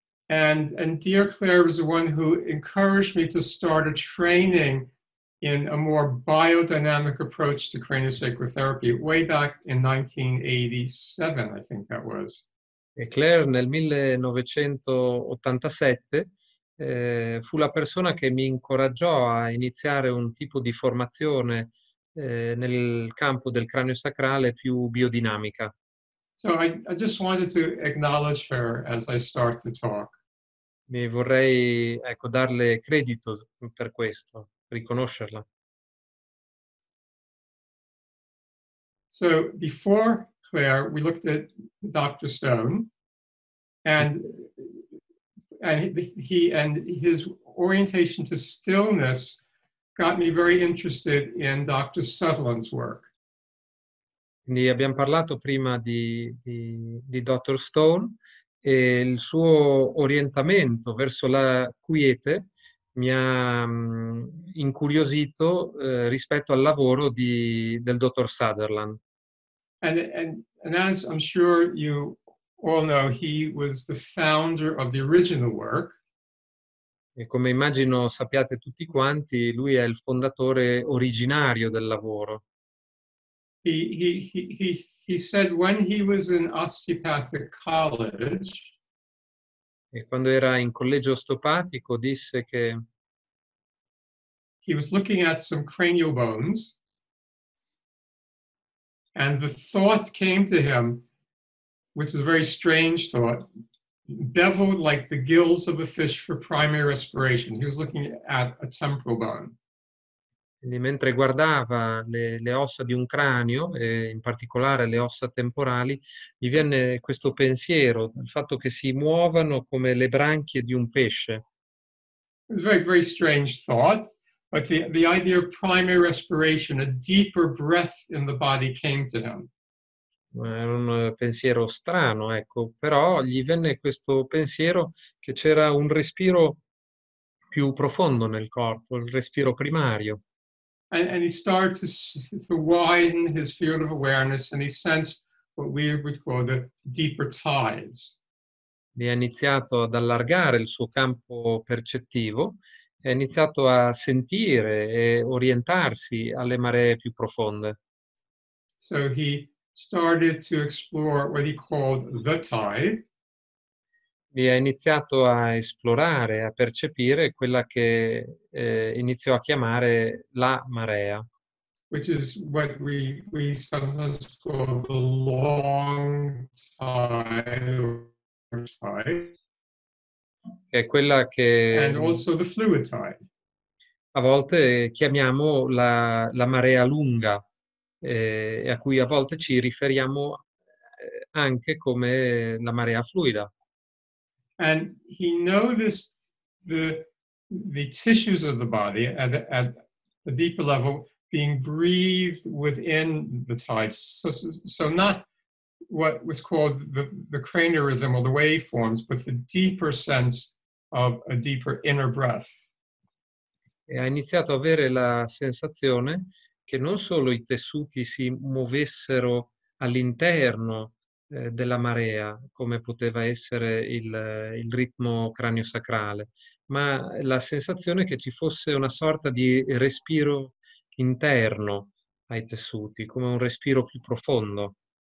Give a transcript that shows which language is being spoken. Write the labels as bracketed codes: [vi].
[en] And dear Claire was the one who encouraged me to start a training in a more biodynamic approach to craniosacral therapy way back in 1987, I think that was. [it] E Claire nel 1987 fu la persona che mi incoraggiò a iniziare un tipo di formazione nel campo del cranio sacrale più biodinamica. [en] So I just wanted to acknowledge her as I start to talk. [it] Mi vorrei ecco darle credito per questo. Riconoscerla. [en] So before Claire, we looked at Dr. Stone, and his orientation to stillness got me very interested in Dr. Sutherland's work. [it] Quindi abbiamo parlato prima di Dr. Stone e il suo orientamento verso la quiete mi ha incuriosito rispetto al lavoro del dottor Sutherland. [en] And as I'm sure you all know, he was the founder of the original work. [it] E come immagino sappiate tutti quanti, lui è il fondatore originario del lavoro. [en] He said when he was in osteopathic college. [it] E quando era in collegio osteopatico disse che [en] he was looking at some cranial bones, and the thought came to him, which is a very strange thought, beveled like the gills of a fish for primary respiration. He was looking at a temporal bone. [it] Quindi mentre guardava le ossa di un cranio, e in particolare le ossa temporali, gli venne questo pensiero, il fatto che si muovano come le branchie di un pesce. [en] It was a very, very strange thought. But the idea of primary respiration, a deeper breath in the body, came to him. [it] Era un pensiero strano, ecco. Però gli venne questo pensiero che c'era un respiro più profondo nel corpo, il respiro primario. [en] And he started to widen his field of awareness, and he sensed what we would call the deeper tides. [it] Mi ha iniziato ad allargare il suo campo percettivo. Ha iniziato a sentire e orientarsi alle maree più profonde. [en] So he started to explore what he called the tide. [it] E ha iniziato a esplorare, a percepire quella che iniziò a chiamare la marea. [en] Which is what we sometimes call the long tide. [it] È quella che [en] and also the fluid tide. [it] A volte chiamiamo la marea lunga, a cui a volte ci riferiamo anche come la marea fluida. [en] And he noticed the tissues of the body at a deeper level being breathed within the tides. So not what was called the craniorhythm or the waveforms, but the deeper sense of a deeper inner breath. [it] E ha iniziato a avere la sensazione che non solo i tessuti si muovessero all'interno della marea, come poteva essere il ritmo craniosacrale, ma la sensazione che ci fosse una sorta di respiro interno ai tessuti, come un respiro più profondo.